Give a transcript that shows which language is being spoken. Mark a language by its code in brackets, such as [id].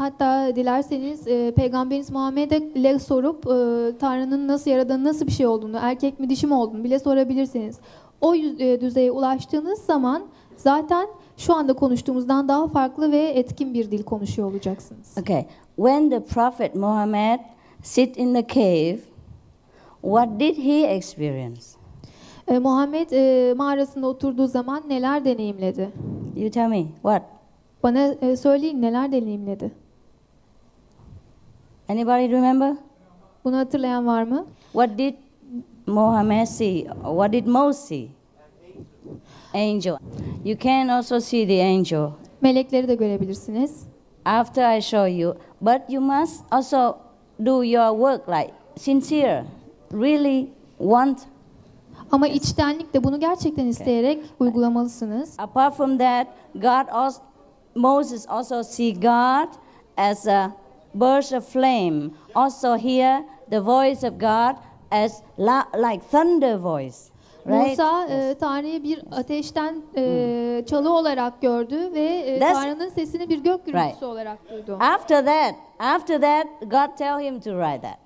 [tr] Hatta dilerseniz Peygamberimiz Muhammed'e sorup Tanrı'nın nasıl, Yaradan'ın nasıl bir şey olduğunu, erkek mi dişi mi olduğunu bile sorabilirsiniz. O düzeye ulaştığınız zaman zaten şu anda konuştuğumuzdan daha farklı ve etkin bir dil konuşuyor olacaksınız. [en] Okay. When the Prophet Muhammad sit in the cave, what did he experience? [tr] Muhammed mağarasında oturduğu zaman neler deneyimledi? [en] You tell me what? [tr] Bana söyleyin neler deneyimledi? [en] Anybody remember? [tr] Bunu hatırlayan var mı? [en] What did Muhammed see? What did Moses see? Angel. You can also see the angel. [tr] Melekleri de görebilirsiniz. [en] After I show you, but you must also do your work like sincere, really want. [tr] Ama içtenlikle bunu gerçekten isteyerek uygulamalısınız. [en] Apart from that, God also, Moses also see God as a burst of flame. Also hear the voice of God as like thunder voice. Right? [tr] Musa Tanrı'yı bir ateşten çalı olarak gördü ve Tanrı'nın sesini bir gök gürültüsü [en] right. [tr] olarak duydu. [en] After that, God tell him to write that.